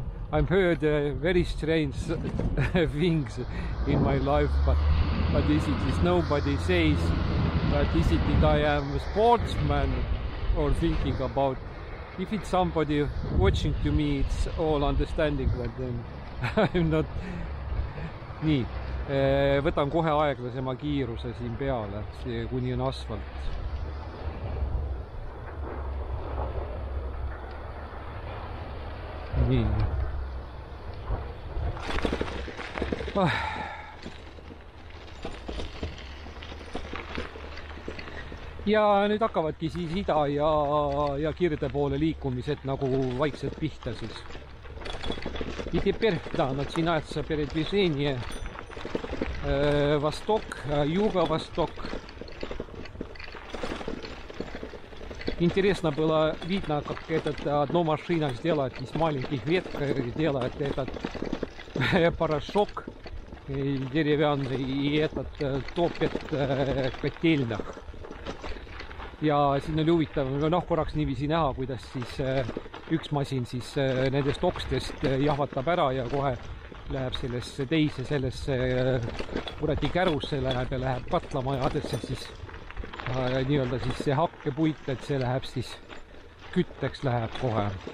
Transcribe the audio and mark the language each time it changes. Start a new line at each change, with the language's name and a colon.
English: I've heard very strange things in my life, but is it is nobody says that is it that I am a sportsman or thinking about. If it's somebody watching to me, it's all understanding, but then I'm not...
Estonian: Nii, võtan kohe aeglasema kiiruse siin peale, see kuni on asfalt. Nii. Ja nüüd hakkavadki siis ida ja kirde poole liikumised nagu vaikselt pihta siis.
Russian: И теперь да, начинается передвижение восток, юго-восток. Интересно было видно, как этот одно машина сделает из маленьких ветка делает этот порошок. Деревянный и этот топят котельных.
Estonian: Ja siin oli huvitav, noh, korraks niivisi näha, kuidas siis üks masin siis nendest okstest jahvatab ära ja kohe läheb sellesse teise, sellesse kureti kärusse läheb ja läheb patlamajadesse siis nii-öelda siis see hakkepuit, et see läheb siis kütteks läheb kohe.